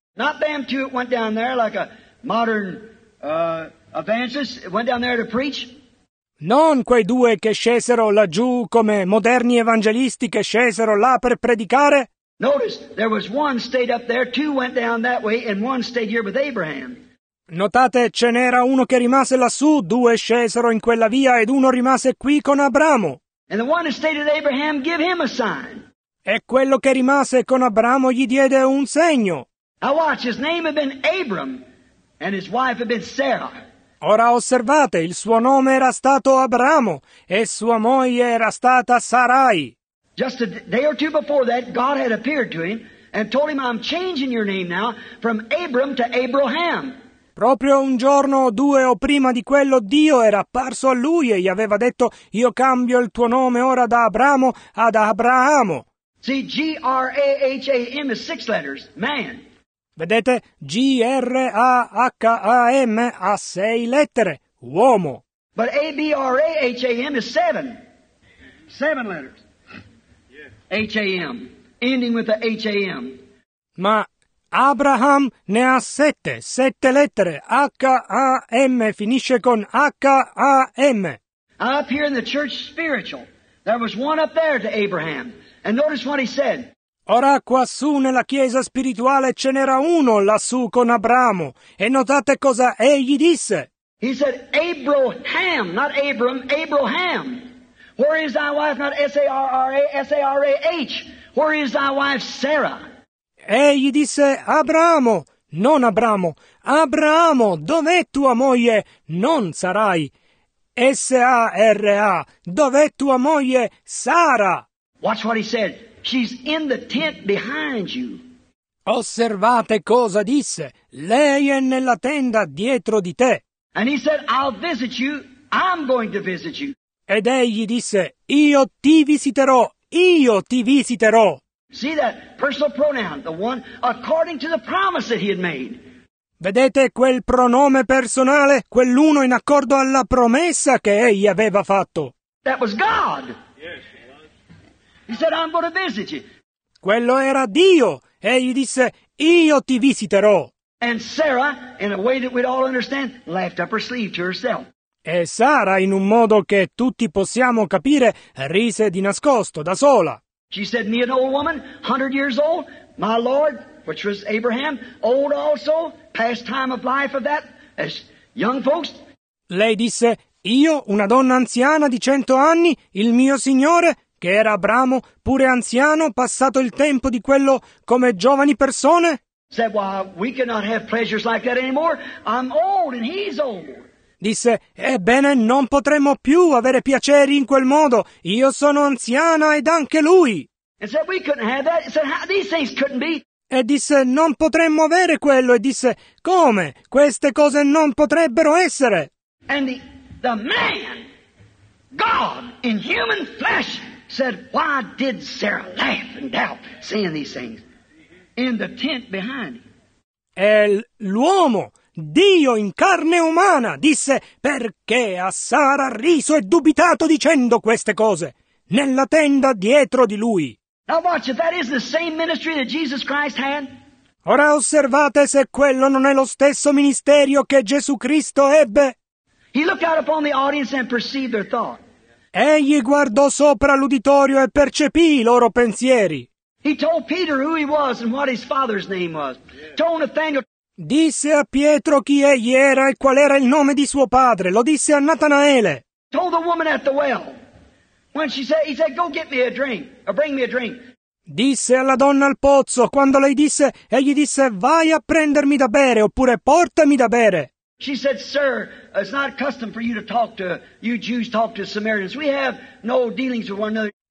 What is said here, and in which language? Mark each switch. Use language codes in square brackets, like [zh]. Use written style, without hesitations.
[en] Not them two went down there like a modern evangelist, went down there to preach. [it] Non quei due che scesero laggiù come moderni evangelisti che scesero là per predicare. [en] Notice, there was one stayed up there, two went down that way, and one stayed here with Abraham. [it] Notate, ce n'era uno che rimase lassù, due scesero in quella via ed uno rimase qui con Abramo. [en] And the one who stayed with Abraham gave him a sign. [it] E quello che rimase con Abramo gli diede un segno. [en] Now watch, his name had been Abram, and his wife had been Sarah. [it] Ora osservate, il suo nome era stato Abramo, e sua moglie era stata Sarai. [en] Just a day or two before that, God had appeared to him and told him, I'm changing your name now from Abram to Abraham. [it] Proprio un giorno o due o prima di quello, Dio era apparso a lui e gli aveva detto, io cambio il tuo nome ora da Abramo ad Abramo. [en] See, G-R-A-H-A-M is six letters, man. [it] Vedete, G-R-A-H-A-M ha sei lettere, uomo. [en] But A-B-R-A-H-A-M is seven. Seven letters. H-A-M, ending with the H-A-M. [it] Ma Abraham ne ha sette, sette lettere, H-A-M, finisce con H-A-M. [en] Up here in the church spiritual, there was one up there to Abraham, and notice what he said. [it] Ora quassù nella chiesa spirituale ce n'era uno lassù con Abramo, e notate cosa egli disse. [en] He said, Abraham, not Abram, Abraham. Where is thy wife, not S-A-R-R-A, S-A-R-A-H, where is thy wife Sarah? [it] Egli disse, Abramo, non Abramo, Abramo, dov'è tua moglie, non Sarai, S-A-R-A, dov'è tua moglie, Sara? [en] Watch what he said, she's in the tent behind you. [it] Osservate cosa disse, lei è nella tenda dietro di te. [en] And he said, I'll visit you, I'm going to visit you. [it] Ed egli disse, io ti visiterò, io ti visiterò. [en] See that personal pronoun, the one according to the promise that he had made. [it] Vedete quel pronome personale, quell'uno in accordo alla promessa che egli aveva fatto. [en] That was God. Yes, he said, I'm going to visit you. [it] Quello era Dio. Egli disse, io ti visiterò. [en] And Sarah, in a way that we'd all understand, laughed up her sleeve to herself. [it] E Sara, in un modo che tutti possiamo capire, rise di nascosto, da sola. [en] She said, me an old woman, 100 years old, my lord, which was Abraham, old also, past time of life of that, as young folks. [it] Lei disse, io, una donna anziana di 100 anni, il mio signore, che era Abramo, pure anziano, passato il tempo di quello come giovani persone. [en] Said, well, we cannot have pleasures like that anymore, I'm old and he's old. [it] Disse, ebbene, non potremmo più avere piaceri in quel modo. Io sono anziana ed anche lui. [en] And said, we couldn't have that. Said, how, these things couldn't be. [it] E disse, non potremmo avere quello. E disse, come? Queste cose non potrebbero essere. [en] And the man, God, in human flesh, said, why did Sarah laugh and doubt saying these things in the tent behind him? [it] E l'uomo, Dio in carne umana, disse, perché a Sara riso e dubitato dicendo queste cose nella tenda dietro di lui. [en] Now watch, if that is the same ministry that Jesus Christ had. [it] Ora osservate se quello non è lo stesso ministerio che Gesù Cristo ebbe. [en] He looked out upon the audience and perceived their thought. [it] Egli guardò sopra l'uditorio e percepì i loro pensieri. [en] He told Peter who he was and what his father's name was. Yeah. Told Nathaniel. [it] Disse a Pietro chi egli era e qual era il nome di suo padre. Lo disse a Natanaele. [en] Told the woman at the well. When she said, he said, go get me a drink, or bring me a drink. [it] Disse alla donna al pozzo, quando lei disse, egli disse, vai a prendermi da bere, oppure portami da bere. [en] She said, sir, it's not custom for you to talk to, you Jews talk to Samaritans. We have no dealings with one another.